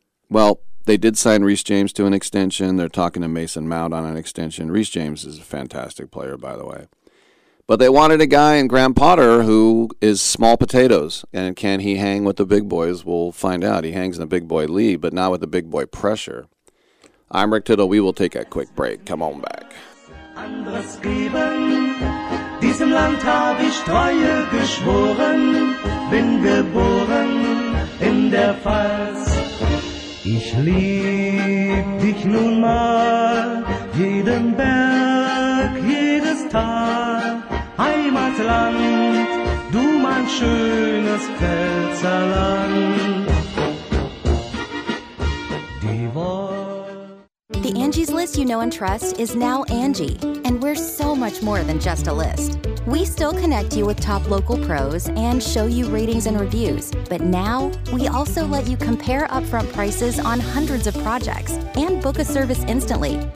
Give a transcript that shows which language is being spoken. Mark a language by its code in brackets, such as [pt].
[en] Well, they did sign Reece James to an extension. They're talking to Mason Mount on an extension. Reece James is a fantastic player, by the way. But they wanted a guy in Graham Potter who is small potatoes. And can he hang with the big boys? We'll find out. He hangs in the big boy league, but not with the big boy pressure. I'm Rick Tittle. We will take a quick break. Come on back. [de] Anders Geben, diesem Land habe ich Treue geschworen, bin geboren in der Pfalz. Ich lieb dich nun mal, jeden Berg, jedes Tal, Heimatland, du mein schönes Pfälzerland. [en] The Angie's List you know and trust is now Angie, and we're so much more than just a list. We still connect you with top local pros and show you ratings and reviews, but now we also let you compare upfront prices on hundreds of projects and book a service instantly.